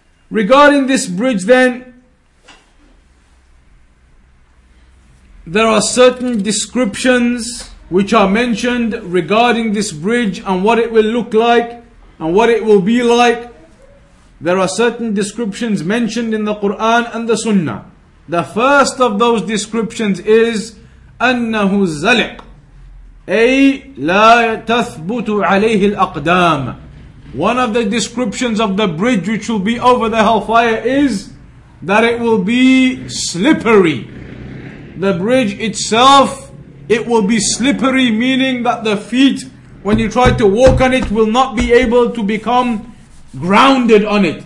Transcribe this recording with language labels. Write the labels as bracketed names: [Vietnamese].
[English] Regarding this bridge then, there are certain descriptions which are mentioned regarding this bridge and what it will look like and what it will be like. There are certain descriptions mentioned in the Quran and the Sunnah. The first of those descriptions is [Arabic] أنه الزلق أي لا تثبت عليه الأقدام. [English] One of the descriptions of the bridge which will be over the hellfire is that it will be slippery. The bridge itself, it will be slippery, meaning that the feet, when you try to walk on it, will not be able to become grounded on it.